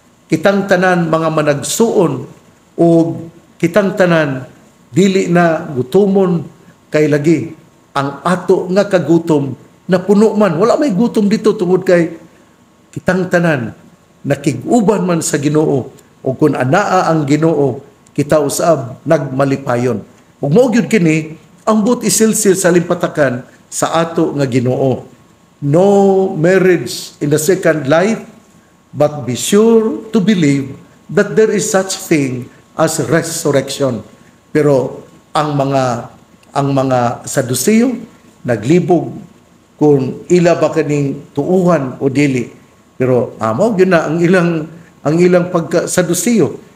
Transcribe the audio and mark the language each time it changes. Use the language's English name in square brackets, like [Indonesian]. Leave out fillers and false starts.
[Cebuano] Kitang tanan mga managsuon o kitang tanan dili na gutomon kay lagi ang ato nga kagutom na puno man. Wala may gutom dito tungod kay kitang tanan nakiguban man sa Ginoo, o kun anaa ang Ginoo kita usab nagmalipayon. Ug mao gyud kini ang but isilsil sa limpatakan sa ato nga Ginoo. [English] No marriage in the second life, but be sure to believe that there is such thing as resurrection. [Cebuano] Pero ang mga Saduceo naglibog kung ila ba kaning tuuhan o dili. Pero amaw yun na ang ilang pagka-Saduceo.